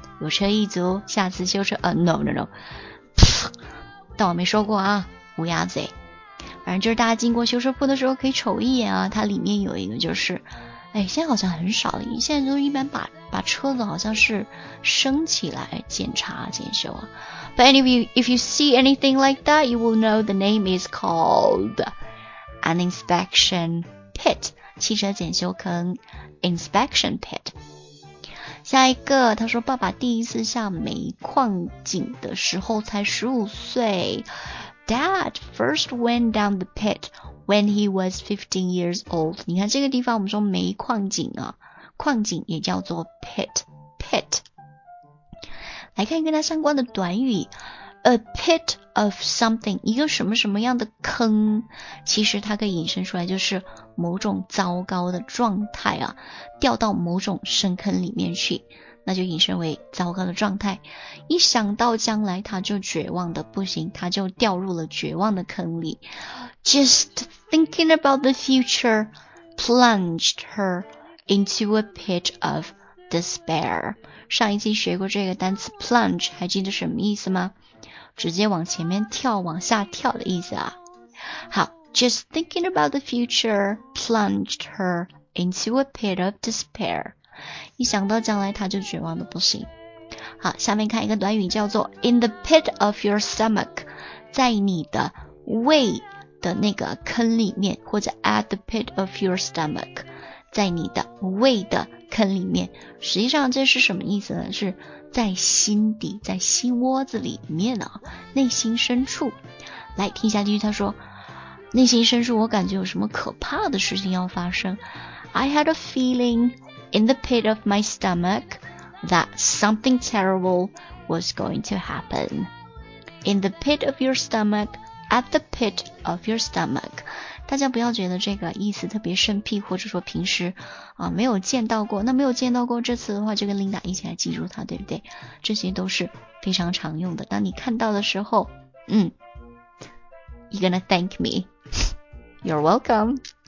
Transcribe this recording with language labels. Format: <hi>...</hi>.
<zh>有车一族，下次修车，no， 但我没说过啊，乌鸦嘴。反正就是大家经过修车铺的时候可以瞅一眼啊，它里面有一个就是，哎，现在好像很少了，现在都一般把车子好像是升起来检查检修啊。</zh> <en>But anyway, if you see anything like that, you will know the name is called an inspection pit， 汽车检修坑 ，inspection pit。</en> <zh>下一个，他说爸爸第一次下煤矿井的时候才15岁。</zh> <en>Dad first went down the pit when he was 15 years old.</en> <zh>你看这个地方我们说煤矿井啊，矿井也叫做 pit。来看跟他相关的短语 ,</zh> <en>a pit of something,</en> <zh>一个什么什么样的坑，其实它可以引申出来就是某种糟糕的状态啊，掉到某种深坑里面去，那就引申为糟糕的状态。一想到将来他就绝望的不行，他就掉入了绝望的坑里。</zh> <en>Just thinking about the future plunged her into a pit of despair.</en> <zh>上一期学过这个单词 plunge, 还记得什么意思吗？直接往前面跳，往下跳的意思啊。好。</zh> <en>Just thinking about the future plunged her into a pit of despair.</en> <zh>一想到将来，她就绝望的不行。好，下面看一个短语叫做</zh> <en>in the pit of your stomach，</en> <zh>在你的胃的那个坑里面，或者</zh> <en>at the pit of your stomach，</en> <zh>在你的胃的坑里面，实际上这是什么意思呢？是在心底，在心窝子里面呢、内心深处。来听下去，他说，内心深处我感觉有什么可怕的事情要发生。</zh> <en>I had a feeling in the pit of my stomach that something terrible was going to happen. In the pit of your stomach, at the pit of your stomach.</en> <zh>大家不要觉得这个意思特别生僻，或者说平时啊没有见到过，那没有见到过这次的话就跟 Linda 一起来记住它，对不对？这些都是非常常用的，当你看到的时候，</zh> <en>You're gonna thank me. You're welcome.</en>